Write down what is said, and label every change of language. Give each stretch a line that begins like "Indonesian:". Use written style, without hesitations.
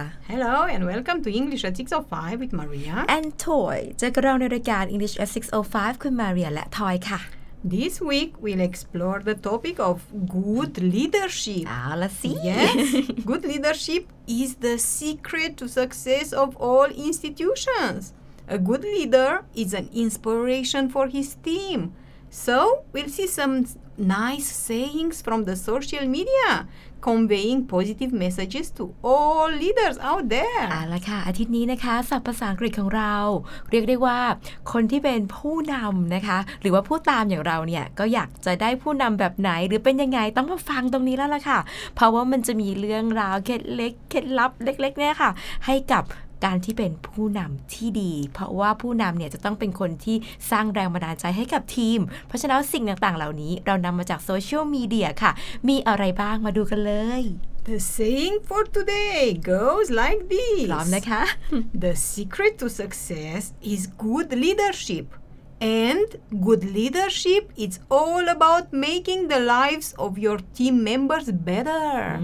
English: Hello and welcome to English at 6:05 with Maria and Toy.
Thai: เจอกันในรายการ English at 6:05 คุณ Maria และ Toy ค่ะ
English: This week we'll explore the topic of good leadership. Ah, let's see. Yes, good leadership is the secret to success of all institutions. A good leader is an inspiration for his team. So we'll see some nice sayings from the social media, conveying positive messages to all leaders out there.
Thai: อ่ะละค่ะอาทิตย์นี้นะคะศัพท์ภาษาอังกฤษของเราเรียกได้ว่าคนที่เป็นผู้นำนะคะหรือว่าผู้ตามอย่างเราเนี่ยก็อยากจะได้ผู้นำแบบไหนหรือเป็นยังไงต้องมาฟังตรงนี้แล้วล่ะค่ะเพราะว่ามันจะมีเรื่องราวเคล็ดเล็กเคล็ดลับเล็กๆเนี่ยค่ะให้กับการที่เป็นผู้นำที่ดีเพราะว่าผู้นำเนี่ยจะต้องเป็นคนที่สร้างแรงบันดาลใจให้กับทีมเพราะฉะนั้นสิ่งต่างๆเหล่านี้เรานำมาจากโซเชียลมีเดียค่ะมีอะไรบ้างมาดูกันเลย
English: The saying for today goes like this
Thai: พร้อมนะคะ
English: The secret to success is good leadership and good leadership it's all about making the lives of your team members better